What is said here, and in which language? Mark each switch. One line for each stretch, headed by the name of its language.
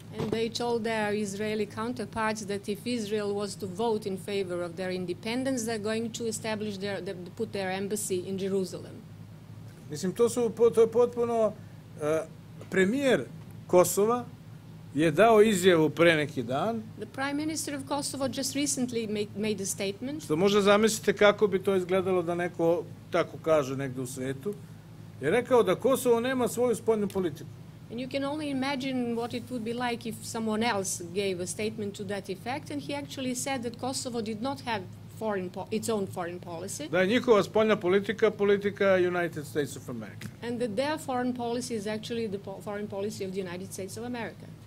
English: And they told their Israeli counterparts that if Israel was to vote in favor of their independence, they're going to establish their, put their embassy in Jerusalem.
Serbian: Mislim, to je potpuno, premijer Kosova je dao izjavu pre neki dan.
English: The prime minister of Kosovo just recently made a statement.
Serbian: Što možda zamislite kako bi to izgledalo da neko tako kaže negde u svetu. Je rekao da Kosovo nema svoju spoljnu politiku.
English: And you can only imagine what it would be like if someone else gave a statement to that effect, and he actually said that Kosovo did not have its own foreign policy.
Serbian: Da je njihova spoljna politika politika United States of America.
English: And that their foreign policy is actually the foreign policy of the United States of America.